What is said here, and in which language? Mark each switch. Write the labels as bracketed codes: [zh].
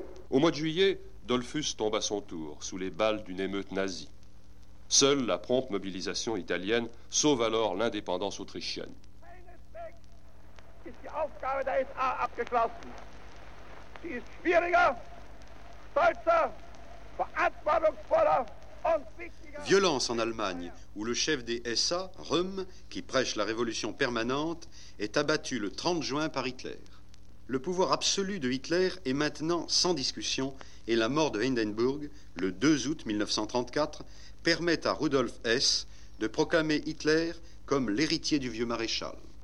[fr] Au mois de juillet, Dollfuss tombe à son tour sous les balles d'une émeute nazie. Seule la prompte mobilisation italienne sauve alors l'indépendance autrichienne. [de] Die Aufgabe der SA abgeschlossen. Sie ist schwieriger, stolzer, verantwortungsvoller. [fr] Violence en Allemagne, où le chef des SA, Röhm, qui prêche la révolution permanente, est abattu le 30 juin par Hitler. Le pouvoir absolu de Hitler est maintenant sans discussion et la mort de Hindenburg, le 2 août 1934, permet à Rudolf Hess de proclamer Hitler comme l'héritier du vieux maréchal.